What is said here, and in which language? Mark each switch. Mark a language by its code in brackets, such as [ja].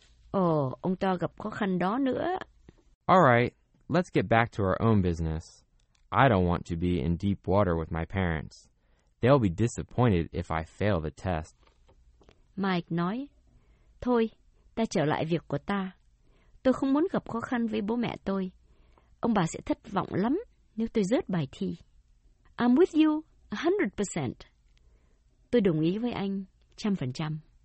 [vi] Ồ, ông ta gặp khó khăn đó nữa. [en] All right, let's get back to our own business. I don't want to be in deep water with my parents. They'll be disappointed if I fail the test. [vi] Mike nói, thôi, ta trở lại việc của ta. Tôi không muốn gặp khó khăn với bố mẹ tôi. Ông bà sẽ thất vọng lắm nếu tôi rớt bài thi. [en] I'm with you 100%. [vi] Tôi đồng ý với anh 100%.